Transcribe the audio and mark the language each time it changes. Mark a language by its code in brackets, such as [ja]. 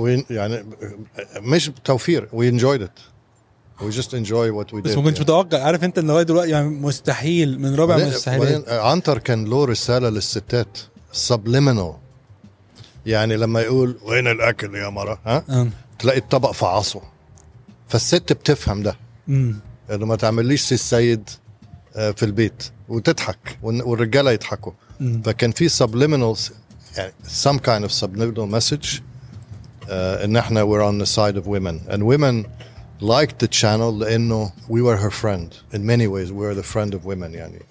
[ar] يعني مش توفير [en] we enjoyed it we just enjoy what we did [ar] بس ما كنتش متوقع عارف انت ان لغايه دلوقتي يعني مستحيل من ربع مستحيلات عنتر كان له رساله للستات subliminal يعني لما يقول وين الأكل يا مرة ها؟ تلاقي الطبق فعصه فالست بتفهم ده إنه ما تعمليش السيد في البيت وتضحك والرجالة يضحكوا فكان في subliminal يعني [en] some kind of subliminal message [ar] إن إحنا [en] we're on the side of women and women liked the channel لأنه we were her friend in many ways, we were the friend of women يعني.